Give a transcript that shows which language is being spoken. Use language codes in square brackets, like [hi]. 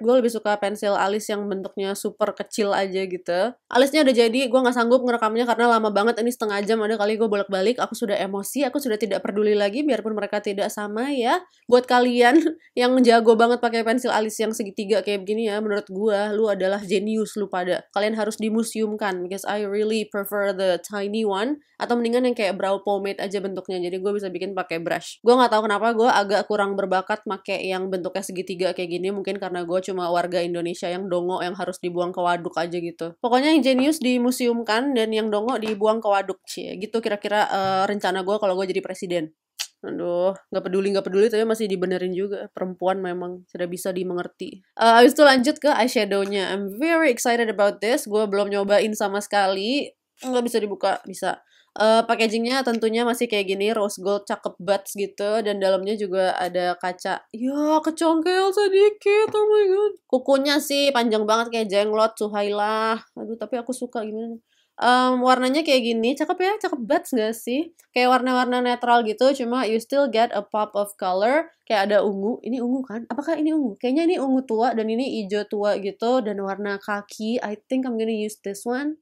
[id] Gue lebih suka pensil alis yang bentuknya super kecil aja gitu. Alisnya udah jadi, gue gak sanggup ngerekamnya karena lama banget. Ini setengah jam ada kali gue bolak-balik, aku sudah emosi, aku sudah tidak peduli lagi biarpun mereka tidak sama ya. Buat kalian yang jago banget pakai pensil alis yang segitiga kayak begini ya, menurut gue lu adalah genius lu pada. Kalian harus dimuseumkan, [en] because I really prefer the tiny one. [id] Atau mendingan yang kayak brow pomade aja bentuknya, jadi gue bisa bikin pakai brush. Gue gak tahu kenapa gue agak kurang berbakat make yang bentuknya segitiga kayak gini. Mungkin karena gue cuma warga Indonesia yang dongo yang harus dibuang ke waduk aja gitu. Pokoknya yang genius dimuseumkan dan yang dongo dibuang ke waduk. Cie. Gitu kira-kira rencana gue kalau gue jadi presiden. Aduh, gak peduli tapi masih dibenerin juga. Perempuan memang sudah bisa dimengerti. Abis itu lanjut ke eyeshadow-nya. [en] I'm very excited about this. [id] Gue belum nyobain sama sekali. Gak bisa dibuka. Bisa. Packagingnya tentunya masih kayak gini, rose gold cakep buds gitu, dan dalamnya juga ada kaca. Ya, kecongkel sedikit, [en] oh my god. [id] Kukunya sih panjang banget kayak jenglot, Suhaila. Aduh, tapi aku suka gimana. Warnanya kayak gini, cakep ya, cakep buds gak sih? Kayak warna-warna netral gitu, cuma [en] you still get a pop of color. [id] Kayak ada ungu, ini ungu kan? Apakah ini ungu? Kayaknya ini ungu tua dan ini hijau tua gitu. Dan warna khaki, [en] I think I'm gonna use this one.